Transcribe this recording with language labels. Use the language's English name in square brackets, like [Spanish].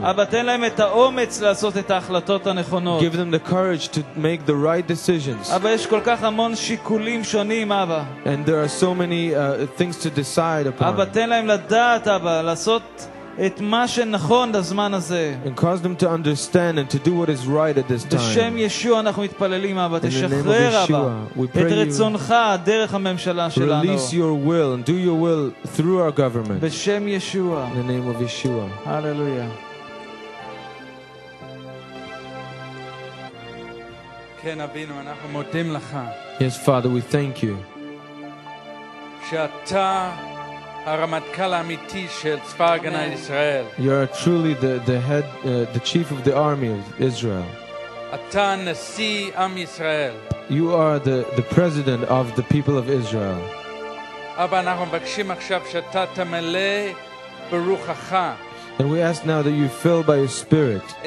[Hebrew] אבא תן להם את האומץ לעשות את ההחלטות הנכונות. [English] Give them the courage to make the right decisions. [Hebrew] אבא יש כל כך המון שיקולים שונים אבא. [English] And there are so many things to decide upon. [Hebrew] אבא תן להם לדעת אבא לעשות את מה שנכון בזמן הזה. [English] And cause them to understand and to do what is right at this time. [Hebrew] בשם ישוע אנחנו מתפללים אבא תשחרר אבא את רצונך דרך הממשלה שלנו. [English] Release your will and do your will through our government. [Hebrew] בשם ישוע. [English] In the name of Yeshua. Hallelujah. [Hebrew] כן אבינו אנחנו מודים לך. [English] Yes Father we thank you. [Hebrew] שאתה הרמטכ"ל האמיתי של צבא הגנה לישראל. [English] You are truly the head the chief of the army of Israel. [Hebrew] אתה נשיא עם ישראל. [English] You are the president of the people of Israel. [Hebrew] אבא אנחנו מבקשים עכשיו שאתה תמלא ברוחך. [English] And we ask now that you fill by your spirit.